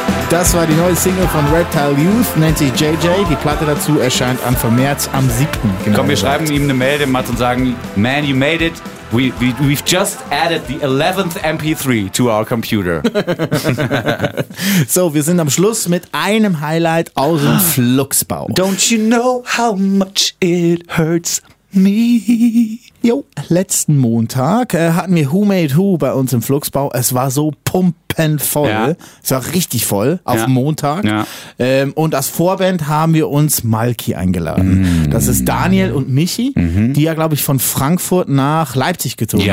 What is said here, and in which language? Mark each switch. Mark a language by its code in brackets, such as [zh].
[de] Das war die neue Single von Reptile Youth, nennt sich JJ. Die Platte dazu erscheint Anfang März am 7. Genau. Komm, wir schreiben ihm eine Mail, dem Mats, und sagen, [en] man, you made it. We've just added the 11th MP3 to our computer. [de] So, wir sind am Schluss mit einem Highlight aus dem Fluxbau. [en] Don't you know how much it hurts me? [de] Jo, letzten Montag hatten wir Who Made Who bei uns im Fluxbau. Es war so pumpenvoll. Ja. Es war richtig voll auf Montag. Ja. Und als Vorband haben wir uns Malki eingeladen. Mm. Das ist Daniel und Michi, die ja, glaube ich, von Frankfurt nach Leipzig gezogen sind.